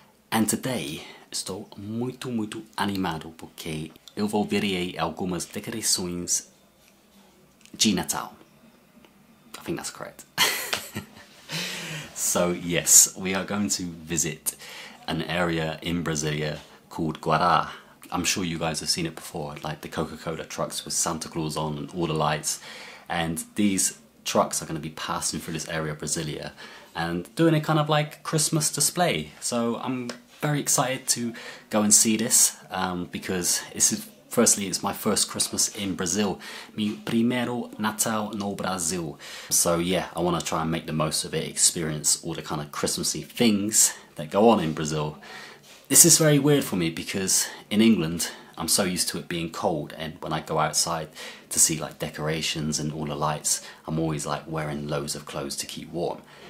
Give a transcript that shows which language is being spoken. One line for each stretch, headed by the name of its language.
English: And today,
Portuguese: estou muito, muito animado porque eu vou ver algumas decorações de Natal.
English: I think that's correct. So yes, we are going to visit an area in Brasilia called Guará. I'm sure you guys have seen it before, like the Coca Cola trucks with Santa Claus on and all the lights. And these trucks are going to be passing through this area of Brasilia and doing a kind of like Christmas display. So I'm very excited to go and see this because this is, firstly, it's my first Christmas in Brazil.
Portuguese: Mi primeiro Natal no Brasil.
English: So yeah, I want to try and make the most of it, experience all the kind of Christmassy things that go on in Brazil. This is very weird for me because in England, I'm so used to it being cold. And when I go outside to see like decorations and all the lights, I'm always like wearing loads of clothes to keep warm.